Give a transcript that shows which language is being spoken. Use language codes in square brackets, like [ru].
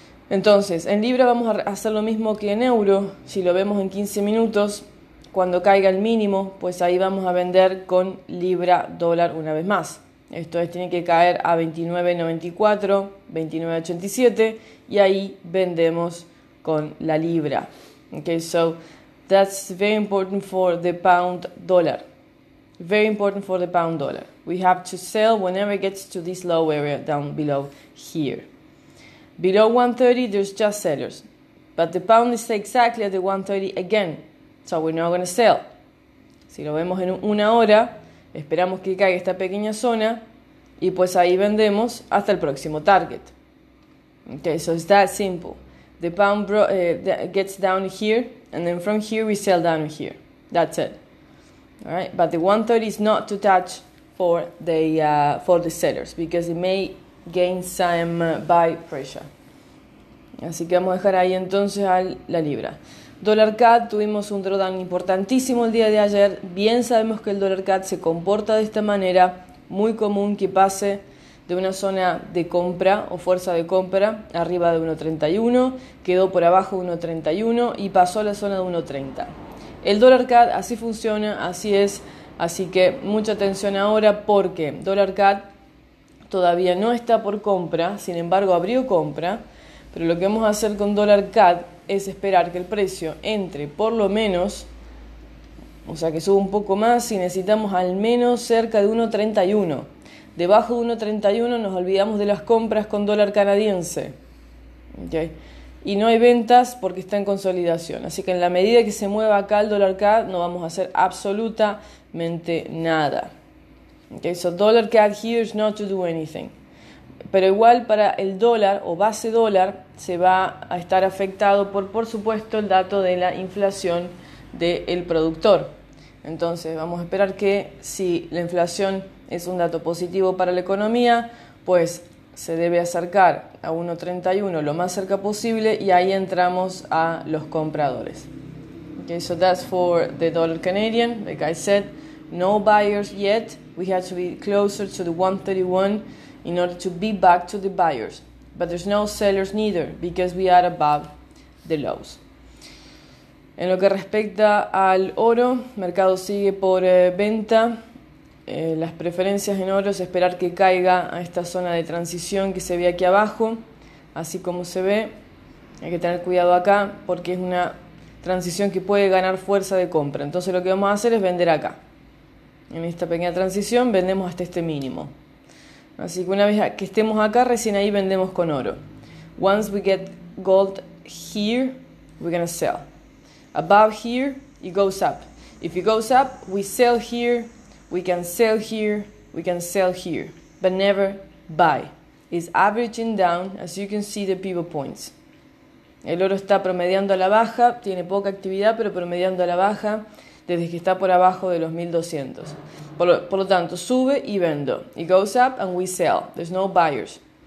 [es] Entonces, en libra vamos a hacer lo mismo que en euro. Si lo vemos en 15 minutos, cuando caiga el mínimo, pues ahí vamos a vender con libra dólar una vez más. Esto es, tiene que caer a 29.94, 29.87 y ahí vendemos con la libra. [en] Okay, so that's very important for the pound dollar. Very important for the pound dollar. We have to sell whenever it gets to this low area down below here. Below 130, there's just sellers. But the pound is exactly at the 130 again. So we're not going to sell. [es] Si lo vemos en una hora, esperamos que caiga esta pequeña zona y pues ahí vendemos hasta el próximo target. [en] Okay, so it's that simple. The pound gets down here, and then from here we sell down here. That's it. All right, but the 130 is not to touch for the sellers because it may gain some buy pressure. [es] Así que vamos a dejar ahí entonces a la libra. Dólar CAD, tuvimos un drawdown importantísimo el día de ayer. Bien sabemos que el dólar CAD se comporta de esta manera, muy común que pase de una zona de compra o fuerza de compra arriba de 1.31, quedó por abajo de 1.31 y pasó a la zona de 1.30. El dólar CAD así funciona, así es, así que mucha atención ahora porque dólar CAD todavía no está por compra, sin embargo abrió compra, pero lo que vamos a hacer con dólar CAD es esperar que el precio entre por lo menos, o sea que suba un poco más, si necesitamos al menos cerca de 1.31. Debajo de 1.31 nos olvidamos de las compras con dólar canadiense. ¿Okay? Y no hay ventas porque está en consolidación. Así que en la medida que se mueva acá el dólar CAD, no vamos a hacer absolutamente nada. ¿Okay? [en] So dollar CAD here is not to do anything. [es] Pero igual para el dólar o base dólar se va a estar afectado por supuesto, el dato de la inflación del productor. Entonces, vamos a esperar que si la inflación es un dato positivo para la economía, pues se debe acercar a 1.31 lo más cerca posible y ahí entramos a los compradores. [en] Okay, so that's for the dollar Canadian. Like I said, no buyers yet. We have to be closer to the 1.31 in order to be back to the buyers. But there's no sellers neither because we are above the lows. [es] En lo que respecta al oro, mercado sigue por venta. Las preferencias en oro es esperar que caiga a esta zona de transición que se ve aquí abajo, así como se ve. Hay que tener cuidado acá porque es una transición que puede ganar fuerza de compra. Entonces lo que vamos a hacer es vender acá. En esta pequeña transición vendemos hasta este mínimo. Así que una vez que estemos acá, recién ahí vendemos con oro. [en] Once we get gold here, we're going to sell. Above here, it goes up. If it goes up, we sell here, we can sell here, we can sell here. But never buy. It's averaging down, as you can see the pivot points. [es] El oro está promediando a la baja, tiene poca actividad, pero promediando a la baja desde que está por abajo de los 1200. Por lo tanto, sube y vendo. [en] It goes up and we sell. There's no buyers.